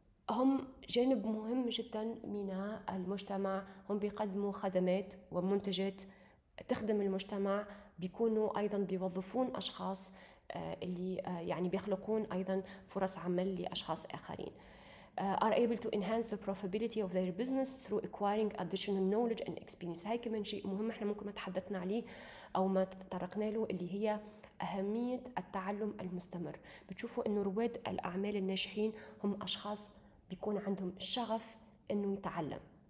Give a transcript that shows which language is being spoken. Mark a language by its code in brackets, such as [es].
[ar] هم جانب مهم جدا من المجتمع، هم بيقدموا خدمات ومنتجات تخدم المجتمع، بيكونوا أيضا بيوظفون أشخاص اللي يعني بيخلقون أيضا فرص عمل لأشخاص آخرين. [en] Are able to enhance the profitability of their business through acquiring additional knowledge and experience. [ar] هاي كمان شيء مهم احنا ممكن ما تحدثنا عليه أو ما تطرقنا له، اللي هي أهمية التعلم المستمر. بتشوفوا إنه رواد الأعمال الناجحين هم أشخاص بيكون عندهم الشغف إنه يتعلم.